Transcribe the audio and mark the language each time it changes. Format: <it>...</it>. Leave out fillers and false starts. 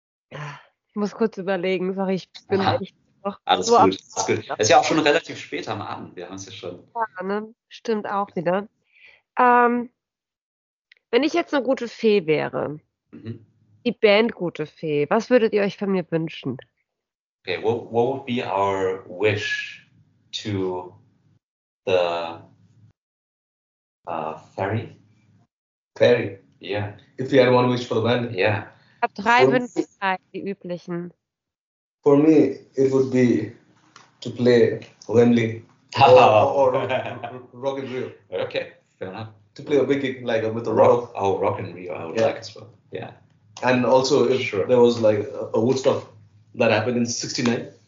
<de>Ich muss kurz überlegen, sorry, ich bin echt noch. Alles so gut, alles gut. Es ist ja auch schon relativ spät am Abend, wir haben es ja schon. Ja, ne? Stimmt auch wieder. Wenn ich jetzt eine gute Fee wäre, die Band Gute Fee, was würdet ihr euch von mir wünschen?</de> <en>Okay, what would be our wish to the fairy? Fairy, yeah. If you had one wish for the band, yeah.</en> <de>Ich habe drei Wünsche, die üblichen.</de> <en>For me, it would be to play Wembley or Rock and Rio. Okay, fair enough. To play a big gig like with a rock. Oh, Rock and Rio, I would like as well. Yeah. And also, if there was like a Woodstock that happened in 69.</en>